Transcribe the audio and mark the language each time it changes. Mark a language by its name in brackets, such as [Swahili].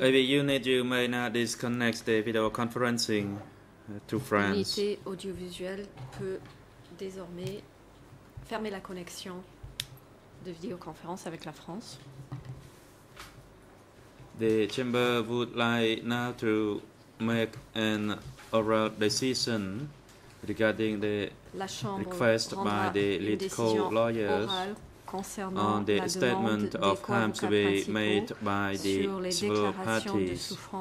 [English] Maybe you need you may not disconnect the video conferencing. To France. [French] L'unité audiovisuelle peut désormais fermer la connexion de vidéoconférence avec la France. [English] The chamber would like now to make an oral decision regarding the request by the lead co-lawyers on the statement of claims to be made by the civil parties.